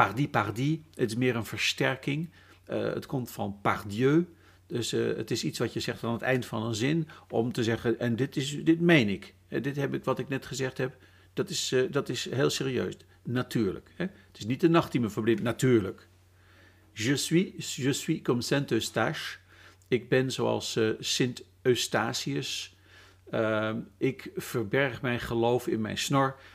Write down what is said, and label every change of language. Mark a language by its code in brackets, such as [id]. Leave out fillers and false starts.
[nl] Pardi, het is meer een versterking. Het komt van pardieu. Dus het is iets wat je zegt aan het eind van een zin, om te zeggen, en dit meen ik. Dit heb ik, wat ik net gezegd heb, dat is heel serieus. Natuurlijk. Hè? Het is niet de nacht die me verblindt, natuurlijk. [fr] Je suis comme Saint Eustache. [nl] Ik ben zoals Sint Eustatius. Ik verberg mijn geloof in mijn snor.